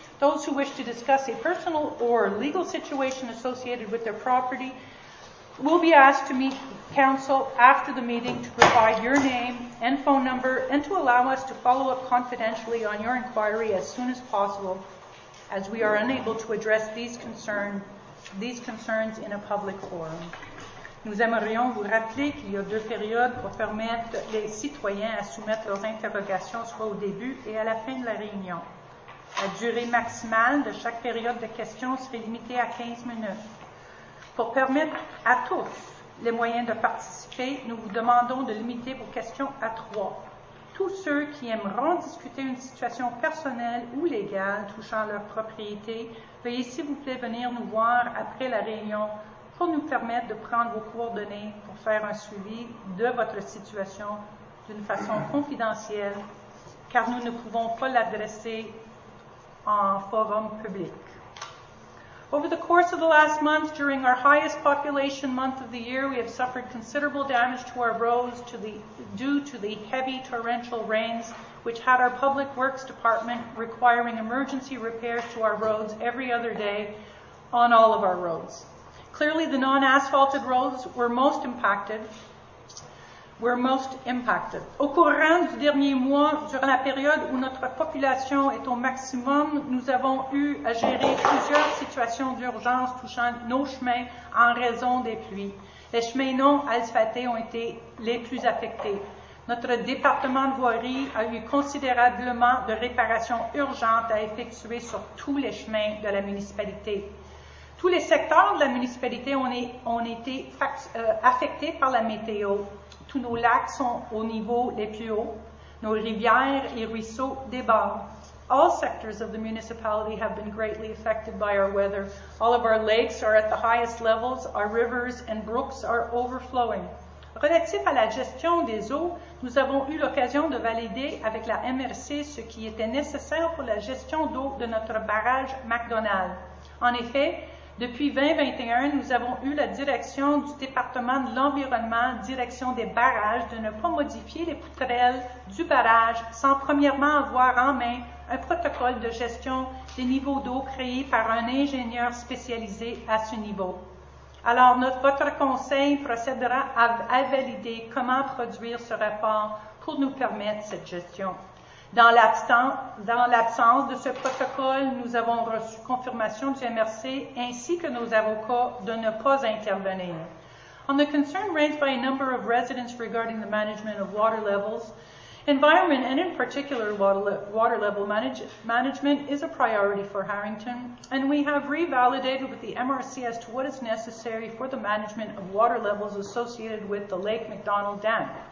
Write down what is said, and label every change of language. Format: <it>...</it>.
<en>Those who wish to discuss a personal or legal situation associated with their property will be asked to meet council after the meeting to provide your name and phone number and to allow us to follow up confidentially on your inquiry as soon as possible, as we are unable to address these concerns in a public forum.</en> <fr>Nous aimerions vous rappeler qu'il y a 2 périodes pour permettre les citoyens à soumettre leurs interrogations, soit au début et à la fin de la réunion. La durée maximale de chaque période de questions serait limitée à 15 minutes. Pour permettre à tous les moyens de participer, nous vous demandons de limiter vos questions à 3. Tous ceux qui aimeront discuter une situation personnelle ou légale touchant leur propriété, veuillez s'il vous plaît venir nous voir après la réunion pour nous permettre de prendre vos coordonnées pour faire un suivi de votre situation d'une façon confidentielle, car nous ne pouvons pas l'adresser en forum public.</fr> <en>Over the course of the last month, during our highest population month of the year, we have suffered considerable damage to our roads due to the heavy torrential rains, which had our public works department requiring emergency repairs to our roads every other day on all of our roads. Clearly, the non-asphalted roads were most impacted.</en> <fr>Au courant du dernier mois, durant la période où notre population est au maximum, nous avons eu à gérer plusieurs situations d'urgence touchant nos chemins en raison des pluies. Les chemins non asphaltés ont été les plus affectés. Notre département de voirie a eu considérablement de réparations urgentes à effectuer sur tous les chemins de la municipalité. Tous les secteurs de la municipalité ont été affectés par la météo. Tous nos lacs sont au niveau les plus hauts. Nos rivières et ruisseaux débordent.</fr> <en>All sectors of the municipality have been greatly affected by our weather. All of our lakes are at the highest levels. Our rivers and brooks are overflowing.</en> <fr>Relatif à la gestion des eaux, nous avons eu l'occasion de valider avec la MRC ce qui était nécessaire pour la gestion d'eau de notre barrage McDonald. En effet, depuis 2021, nous avons eu la direction du département de l'environnement, direction des barrages, de ne pas modifier les poutrelles du barrage sans premièrement avoir en main un protocole de gestion des niveaux d'eau créé par un ingénieur spécialisé à ce niveau. Alors, votre conseil procédera à valider comment produire ce rapport pour nous permettre cette gestion. Dans l'absence de ce protocole, nous avons reçu confirmation du MRC ainsi que nos avocats de ne pas intervenir.</fr> <en>On the concern raised by a number of residents regarding the management of water levels, environment and in particular water level management is a priority for Harrington, and we have revalidated with the MRC as to what is necessary for the management of water levels associated with the Lake McDonald Dam.</en>